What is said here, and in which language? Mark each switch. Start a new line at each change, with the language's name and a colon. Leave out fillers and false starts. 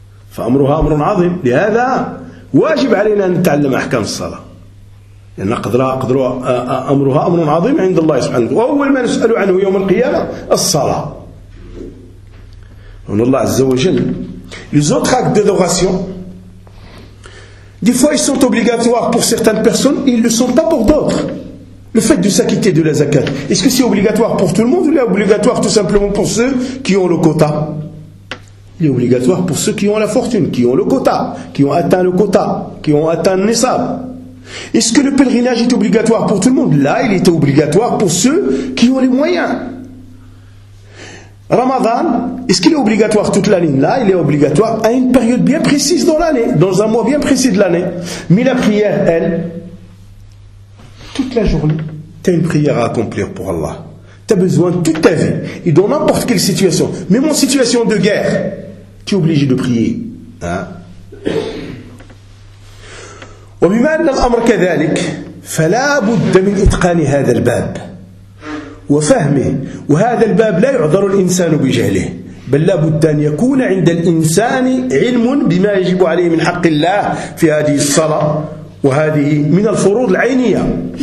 Arabic: فامرها امر عظيم، لهذا واجب علينا ان نتعلم احكام الصلاة، لان امرها امر عظيم عند الله سبحانه، واول ما نسأل عنه يوم القيامة الصلاة. On Allah Azza wa Jal.
French: Les autres actes d'adoration, des fois ils sont obligatoires pour certaines personnes et ils ne le sont pas pour d'autres. Le fait de s'acquitter de la zakat, est-ce que c'est obligatoire pour tout le monde ou est-ce obligatoire tout simplement pour ceux qui ont le quota? Il est obligatoire pour ceux qui ont la fortune, qui ont le quota, qui ont atteint le quota, qui ont atteint le nisab. Est-ce que le pèlerinage est obligatoire pour tout le monde? Là, il était obligatoire pour ceux qui ont les moyens. Ramadan, est-ce qu'il est obligatoire toute l'année? Là, il est obligatoire à une période bien précise dans l'année, dans un mois bien précis de l'année. Mais la prière, elle, toute la journée, tu as une prière à accomplir pour Allah. Tu as besoin de toute ta vie, et dans n'importe quelle situation, même en situation de guerre, tu es obligé de prier. Hein?
Arabic: وبما أن الأمر كذلك فلا بد من إتقان هذا الباب وفهمه وهذا الباب لا يعذر الإنسان بجهله بل لا بد أن يكون عند الإنسان علم بما يجب عليه من حق الله في هذه الصلاة وهذه من الفروض العينية